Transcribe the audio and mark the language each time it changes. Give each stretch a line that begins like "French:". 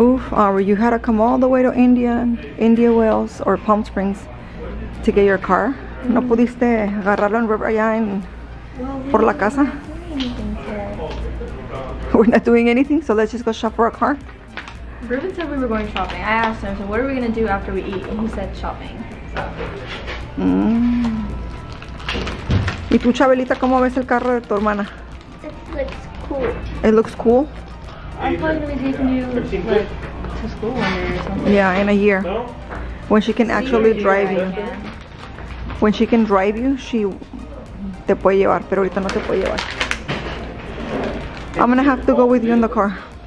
English: Oof, Aubrey, you had to come all the way to India Wells or Palm Springs to get your car.
Spanish: No pudiste agarrarlo en River allá en por la casa.
English: We're not doing anything, so let's just go shop for a car. Ruben said we were going shopping. I asked him, so what are we gonna do after we eat? And he said shopping.
Spanish: ¿Y tú, Chabelita, cómo ves el carro de tu hermana?
English: It looks cool. It looks cool? I'm probably gonna be taking you to school one year or something. Yeah, in a year. No? When she can actually drive you. When she can drive you, she
Spanish: te puede llevar, pero ahorita no te puede llevar.
English: I'm gonna have to go with you in the car.